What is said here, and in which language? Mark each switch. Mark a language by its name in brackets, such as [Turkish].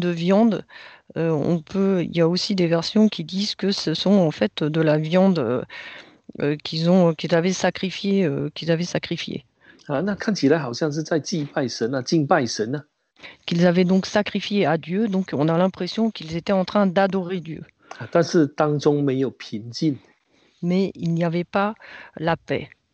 [French] de viande, il y a aussi des versions qui disent que ce sont en fait de la viande. Qu'ils avaient sacrifié. [Chinese] 那看起来好像是在祭拜神啊，敬拜神啊。 [French] Qu'ils avaient donc sacrifié à Dieu, donc on a l'impression qu'ils étaient en train d'adorer Dieu. [Chinese] 但是当中没有平静。 [French] Mais il n'y avait pas la paix.